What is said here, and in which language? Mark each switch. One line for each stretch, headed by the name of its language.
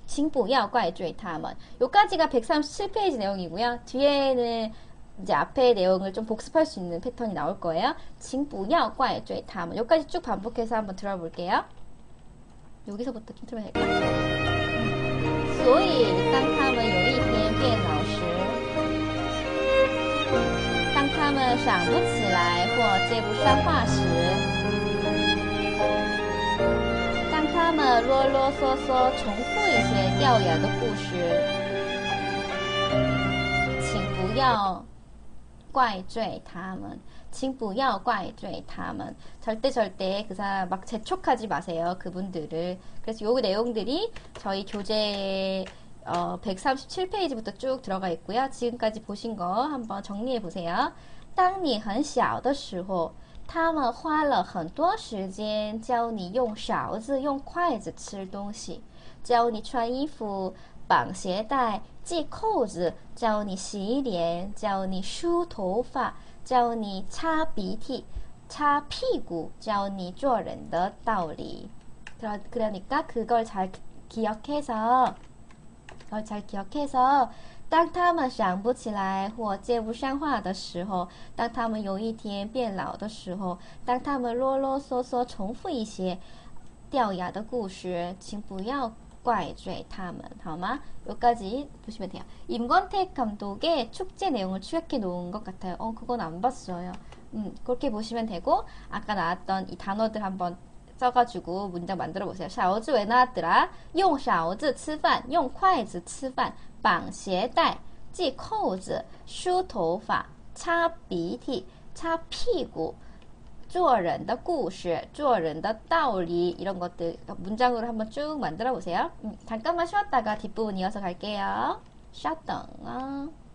Chinese: 请不要怪罪他们.
Korean: 여기까지가 137페이지 내용이고요. 뒤에는 이제 앞에 내용을 좀 복습할 수 있는 패턴이 나올 거예요.
Chinese: 请不要怪罪他们.
Korean: 여기까지 쭉 반복해서 한번 들어볼게요. 여기서부터 좀 틀면 될까?
Chinese: 所以，当他们有一天变老时，当他们想不起来或接不上话时，当他们啰啰嗦嗦重复一些掉牙的故事，请不要怪罪他们。请不要怪罪他们。
Korean: 절대 그 사람 막 재촉하지 마세요. 그분들을. 그래서 요 내용들이 저희 교재에 137페이지부터 쭉 들어가 있고요. 지금까지 보신 거 한번 정리해 보세요.
Chinese: 当你很小的时候，他们花了很多时间教你用勺子、用筷子吃东西，教你穿衣服、绑鞋带、系扣子，教你洗脸，教你梳头发，教你擦鼻涕、擦屁股，教你做人的道理。
Korean: 그러니까 그걸 잘 기억해서. 그걸 잘 기억해서,
Chinese: 当他们想不起来或接不上话的时候，当他们有一天变老的时候，当他们啰啰嗦嗦重复一些掉牙的故事，请不要怪罪他们,好吗?
Korean: 여기까지 보시면 돼요. 임권택 감독의 축제 내용을 축약해 놓은 것 같아요. 그건 안 봤어요. 그렇게 보시면 되고, 아까 나왔던 이 단어들 한번 써가지고 문장 만들어 보세요. 勺子 왜 나왔더라?
Chinese: 用勺子吃饭,用筷子吃饭,绑鞋带,系扣子,梳头发,擦鼻涕,擦屁股。做人的故事,做人的道理 이런 것들 문장으로 한번 쭉 만들어 보세요. 잠깐만 쉬었다가 뒷부분 이어서 갈게요. 稍等啊.